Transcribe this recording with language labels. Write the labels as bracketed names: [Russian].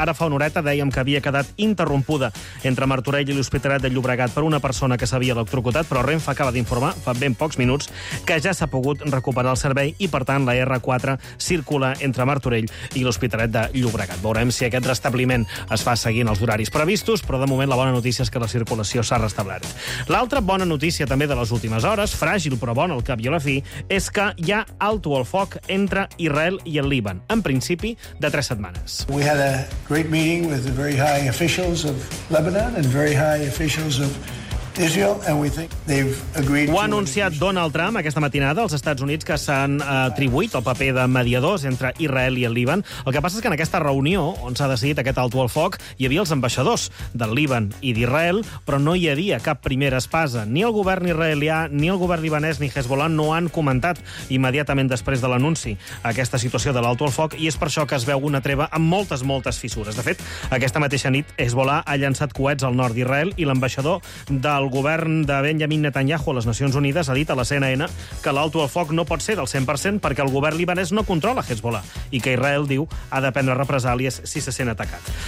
[Catalan] Ara fa una horeta dèiem que havia quedat interrompuda entre Martorell i l'Hospitalet de Llobregat per una persona que s'havia electrocutat, però Renfe acaba d'informar fa ben pocs minuts que ja s'ha pogut recuperar el servei i, per tant, la R4 circula entre Martorell i l'Hospitalet de Llobregat. Veurem si aquest restabliment es fa seguint els horaris previstos, però de moment la bona notícia és que la circulació s'ha restablert. L'altra bona notícia també de les últimes hores, àgil però bon al cap i a la fi, és que hi ha alto el foc entre Israel i el Líban, en principi de 3 setmanes. [English] We had a great meeting with the very high officials of Lebanon and very high officials of Israel, and we think they've agreed. [Catalan] Ho ha anunciat Donald Trump aquesta matinada als Estats Units, que s'han atribuït el paper de mediadors entre Israel i el Líban. El que passa és que en aquesta reunió on s'ha decidit aquest alto el foc hi havia els ambaixadors del Líban i d'Israel, però no hi havia cap primera espasa. Ni el govern israelià, ni el govern libanès, ni Hezbollah no han comentat immediatament després de l'anunci aquesta situació de l'alto el foc, i és per això que es veu una treva amb moltes, moltes fissures. De fet, aquesta mateixa nit Hezbollah ha llançat coets al nord d'Israel i l'ambaixador de el govern de Benjamin Netanyahu a les Nacions Unides ha dit a la CNN que l'alto el foc no pot ser del 100% perquè el govern libanès no controla Hezbollah i que Israel, diu, ha de prendre represàlies si se sent atacat.